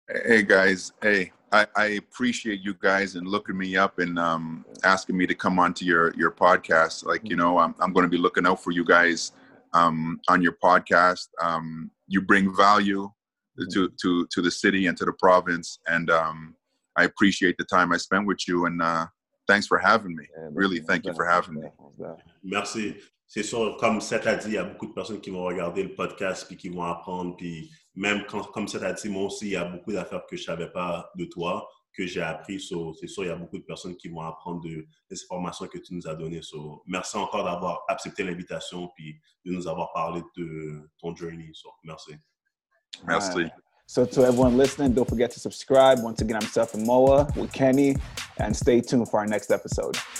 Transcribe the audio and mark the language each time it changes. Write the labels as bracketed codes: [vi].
[en] Hey guys, hey, I appreciate you guys and looking me up and asking me to come onto your podcast. Like, you know, I'm going to be looking out for you guys on your podcast. You bring value to the city and to the province, and I appreciate the time I spent with you, and thanks for having me. Really, thank you for having me. [fr] Merci. C'est sûr, comme ça t'a dit, il y a beaucoup de personnes qui vont regarder le podcast puis qui vont apprendre. Puis même quand, comme ça t'a dit, moi aussi, il y a beaucoup d'affaires que je ne savais pas de toi, que j'ai appris. So, c'est sûr, il y a beaucoup de personnes qui vont apprendre de les informations que tu nous as données. So, merci encore d'avoir accepté l'invitation puis de nous avoir parlé de ton journey. So, merci. Merci. Right. [en] So to everyone listening, don't forget to subscribe. Once again, I'm Seth Moa with Kenny, and stay tuned for our next episode.